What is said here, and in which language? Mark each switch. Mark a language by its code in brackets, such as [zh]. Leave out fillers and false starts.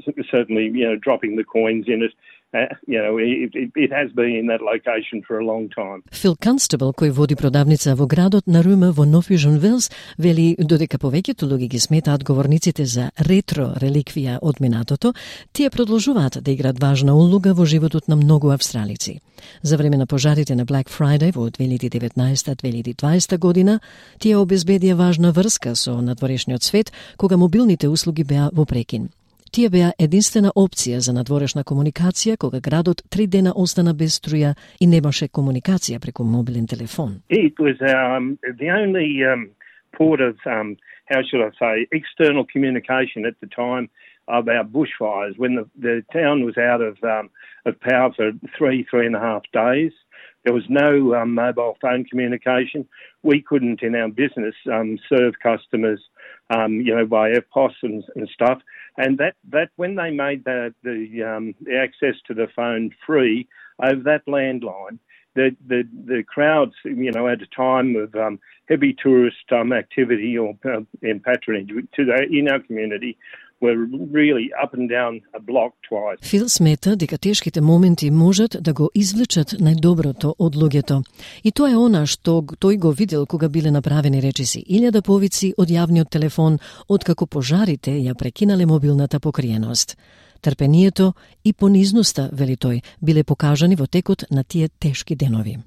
[en] Certainly, you know, dropping the coins in it. It has been in that location for a long time. [mk] Фил Канстебл, кој води продавница во градот на Рума во Нов Южен Велс, вели додека повеќето луѓе ги сметаат говорниците за ретро реликвија од минатото, тие продолжуваат да играат важна улога во животот на многу австралици. За време на пожарите на Black Friday во 2019-2020 година, тие обезбедија важна врска со надворешниот свет, кога мобилните услуги беа во прекин. Тие беа единствена опција за надворешна комуникација кога градот три дена остана без струја и немаше комуникација преку мобилен телефон. [en] It was the only port of how should I say external communication at the time of our bushfires when the town was out of power for 3.5 days. There was no mobile phone communication. We couldn't in our business serve customers by FPOS and stuff. And that when they made the access to the phone free over that landline, the crowds, at a time of heavy tourist activity or in patronage in our community, were really up and down a block twice. [mk] Фил смета дека тешките моменти можат да го извлечат најдоброто од луѓето. И тоа е она што тој го видел кога биле направени речиси 1000 повици од јавниот телефон откако пожарите ја прекинале мобилната покриеност. Трпението и понизноста, вели тој, биле покажани во текот на тие тешки денови.